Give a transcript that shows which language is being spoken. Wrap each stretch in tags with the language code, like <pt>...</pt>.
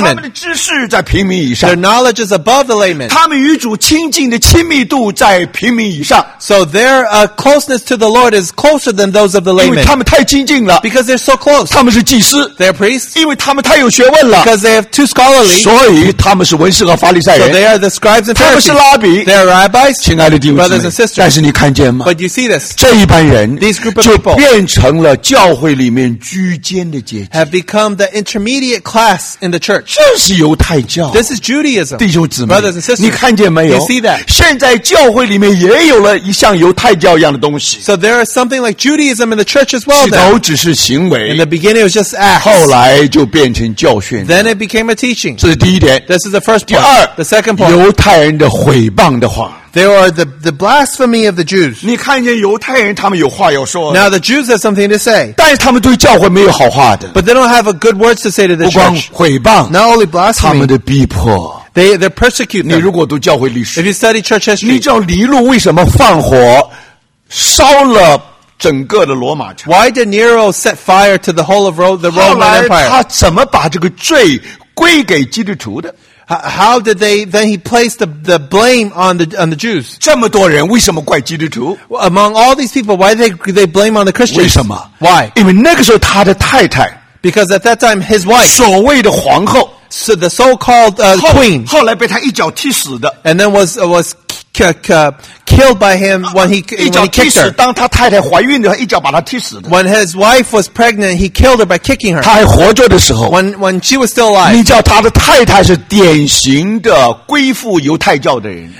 <zh>他们的知识在平民以上</zh> <en>their knowledge is above the laymen</en> <zh>他们与主亲近的亲密度在平民以上</zh> <en>so their closeness to the Lord is closer than those of the laymen</en> <zh>他们太亲近了</zh> <en>because they're so close.</en> <zh>他们是祭司</zh> <en>they're priests.</en> <zh>因为他们太有学问了</zh> <en>because they have too scholarly.</en> <zh>所以他们是文士和法利赛人</zh> <en>so they are the scribes and Pharisees.</en> <zh>他们是拉比</zh> <en>they're rabbis.</en> <zh>亲爱的弟兄姊妹</zh> <en>brothers and sisters.</en> <zh>但是你看见吗</zh> <en>but you see this.</en> <zh>这一般人</zh> <en>these group of people</en> <zh>就变成了教会里面居间的阶级</zh> <en>have become the intermediate class in the church.</en> <zh>这是犹太教</zh> <en>this is Judaism.</en> <zh>弟兄姊妹</zh> <en>brothers and sisters.</en> <zh>你看见没有</zh> <en>you see that.</en> <zh>现在教会里面也有了一项犹太教一样的东西</zh> <en>so there is something like Judaism in the church.</en> <zh>起头只是行为</zh> <en>In the beginning it was just acts</en> <zh>后来就变成教训</zh> <en>Then it became a teaching</en> <zh>这是第一点</zh> <en>This is the first point</en> <zh>第二</zh> <en>The second point</en> <zh>犹太人的毁谤的话</zh> <en>There are the blasphemy of the Jews</en> <zh>你看见犹太人他们有话要说</zh> <en>Now the Jews have something to say</en> <zh>但是他们对教会没有好话的</zh> <en>But they don't have a good words to say to the church</en> <zh>不光毁谤</zh> <en>Not only blasphemy</en> <zh>他们的逼迫</zh> <en>They persecute them</en> <zh>你如果读教会历史</zh> <en>If you study church history</en> <zh>你知道尼禄为什么放火烧了整个的罗马城。</zh> <en>Why did Nero set fire to the whole of the Roman Empire?</en> <zh>后来他怎么把这个罪归给基督徒的？</zh> <en>How did they, then he placed the blame on the Jews?</en> <zh>这么多人为什么怪基督徒</zh> <en>Among all these people, why they blame on the Christians?</en> <zh>为什么</zh> <en>Why?</en> <zh>因为那个时候他的太太</zh> <en>Because at that time, his wife</en> <zh>所谓的皇后</zh> <en>So the so-called queen</en> <zh>后来被他一脚踢死的</zh> <en>And then was killed by him when he kicked her.</en> <zh>当他太太怀孕的时候，一脚把他踢死的。</zh> <en>When his wife was pregnant, he killed her by kicking her.</en> <zh>他还活着的时候。</zh> <en>When she was still alive.</en> <zh>你叫他的太太是典型的归附犹太教的人。</zh>